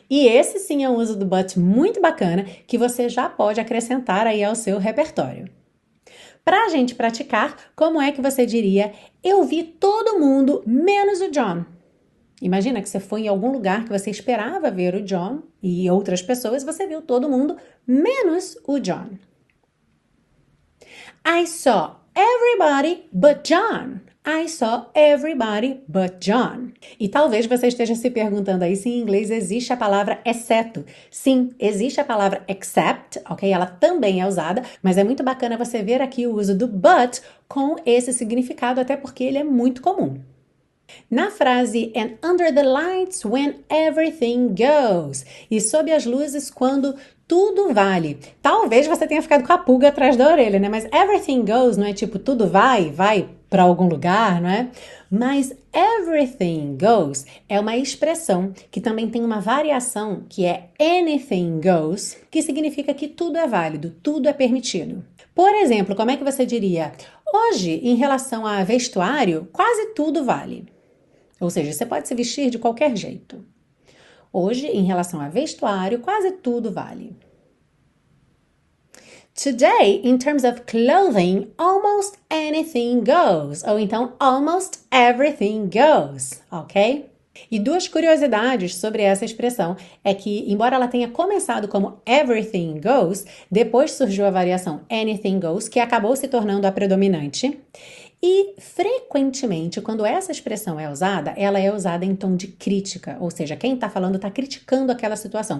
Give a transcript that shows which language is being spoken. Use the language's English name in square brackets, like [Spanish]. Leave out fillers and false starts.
[Portuguese] E esse sim é um uso do but muito bacana que você já pode acrescentar aí ao seu repertório. Para a gente praticar, como é que você diria: eu vi todo mundo menos o John? Imagina que você foi em algum lugar que você esperava ver o John e outras pessoas, você viu todo mundo menos o John. [English] I saw everybody but John. I saw everybody but John. [Portuguese] E talvez você esteja se perguntando aí se em inglês existe a palavra exceto. Sim, existe a palavra except, ok? Ela também é usada, mas é muito bacana você ver aqui o uso do but com esse significado, até porque ele é muito comum. Na frase [English] "and under the lights when everything goes", [Portuguese] e sob as luzes quando tudo vale. Talvez você tenha ficado com a pulga atrás da orelha, né? Mas everything goes não é tipo tudo vai para algum lugar, não é? Mas everything goes é uma expressão que também tem uma variação que é anything goes, que significa que tudo é válido, tudo é permitido. Por exemplo, como é que você diria: hoje, em relação a vestuário, quase tudo vale. Ou seja, você pode se vestir de qualquer jeito. Hoje, em relação a vestuário, quase tudo vale. [English] Today, in terms of clothing, almost anything goes. [Portuguese] Ou então, [English] almost everything goes. Ok? [Portuguese] E duas curiosidades sobre essa expressão é que, embora ela tenha começado como everything goes, depois surgiu a variação anything goes, que acabou se tornando a predominante. E frequentemente, quando essa expressão é usada, ela é usada em tom de crítica, ou seja, quem está falando está criticando aquela situação.